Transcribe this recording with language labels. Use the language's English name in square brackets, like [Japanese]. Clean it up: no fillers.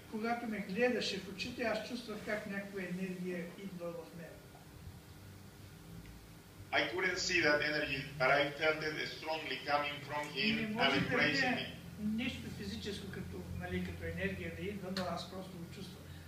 [Bulgarian] Когато ме гледаше в очите, аз чувствах как някаква енергия идва в мен. [English] I couldn't see that energy, but I felt it strongly coming from him and embracing me. [Bulgarian] Нещо физическо като енергия да идва, но аз просто го чувствах.